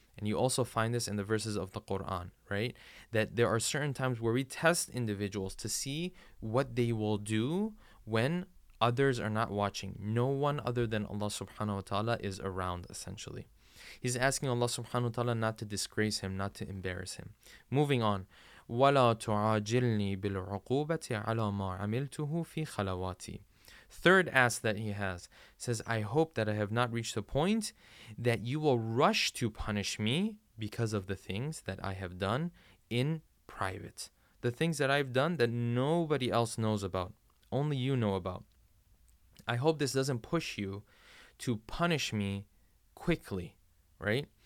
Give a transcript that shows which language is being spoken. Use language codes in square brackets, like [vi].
[en] And you also find this in the verses of the Quran, right? That there are certain times where we test individuals to see what they will do when others are not watching. No one other than Allah subhanahu wa ta'ala is around, essentially. He's asking Allah subhanahu wa ta'ala not to disgrace him, not to embarrass him. Moving on. [ar] وَلَا تُعَاجِلْنِي بِالْعُقُوبَةِ عَلَى مَا عَمِلْتُهُ فِي خَلَوَاتِي [en] Third ask that he has. Says, I hope that I have not reached the point that you will rush to punish me because of the things that I have done in private. The things that I've done that nobody else knows about. Only you know about. I hope this doesn't push you to punish me quickly. Right?